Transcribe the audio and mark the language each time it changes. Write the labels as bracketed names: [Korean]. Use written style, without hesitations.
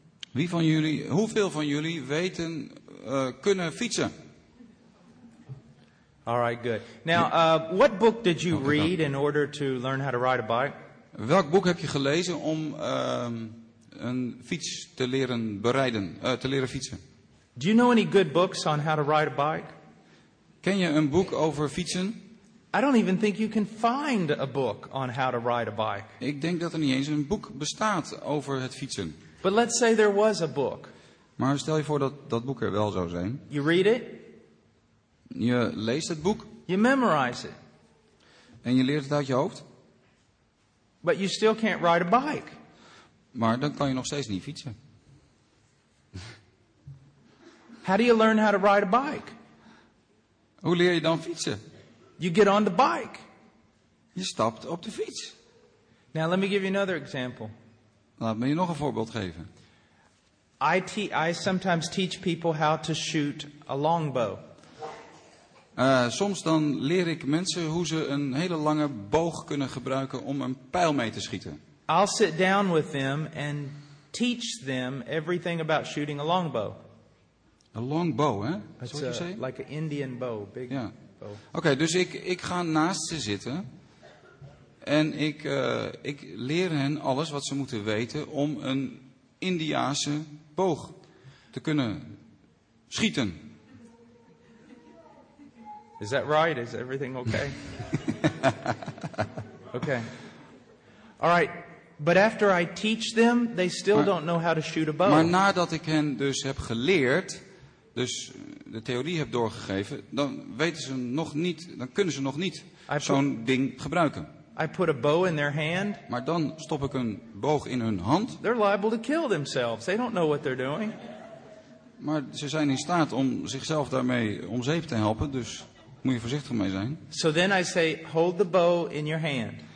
[Dutch] Wie van jullie, hoeveel van jullie weten kunnen fietsen? [English] All right, good. Now, what book did you read in order to learn how to ride a bike? [Dutch] Welk boek heb je gelezen om een fiets te leren berijden, te leren fietsen? [English] Do you know any good books on how to ride a bike? [Dutch] Ken je een boek over fietsen? [English] I don't even think you can find a book on how to ride a bike. [Dutch] Ik denk dat er niet eens een boek bestaat over het fietsen. [English] But let's say there was a book. [Dutch] Maar stel je voor dat dat boek er wel zou zijn. [English] You read it. [Dutch] Je leest het boek. [English] You memorize it. [Dutch] En je leert het uit je hoofd. [English] But you still can't ride a bike. [Dutch] Maar dan kan je nog steeds niet fietsen. [English] How do you learn how to ride a bike? [Dutch] Hoe leer je dan fietsen? [English] You get on the bike. [Dutch] Je stapt op de fiets. [English] Now let me give you another example. [Dutch] Laat me je nog een voorbeeld geven. [English] I sometimes teach people how to shoot a longbow. [Dutch] Soms dan leer ik mensen hoe ze een hele lange boog kunnen gebruiken om een pijl mee te schieten. [English] I'll sit down with them and teach them everything about shooting a longbow. A longbow, hè? Like an Indian bow, big. [Dutch] Ja. Okay, dus ik ga naast ze zitten. En ik leer hen alles wat ze moeten weten om een Indiase boog te kunnen schieten. [English] Is that right? Is everything okay? Okay. All right. But after I teach them, they still don't know how to shoot a bow. [Dutch] Maar nadat ik hen dus heb geleerd, dus de theorie heb doorgegeven, dan kunnen ze nog niet zo'n ding gebruiken. [English] I put a bow in their hand. [Dutch] Maar dan stop ik een boog in hun hand. [English] They're liable to kill themselves. They don't know what they're doing. [Dutch] Maar ze zijn in staat om zichzelf daarmee om zeep te helpen, dus moet je voorzichtig mee zijn. [English] So then I say, hold the bow in your hand.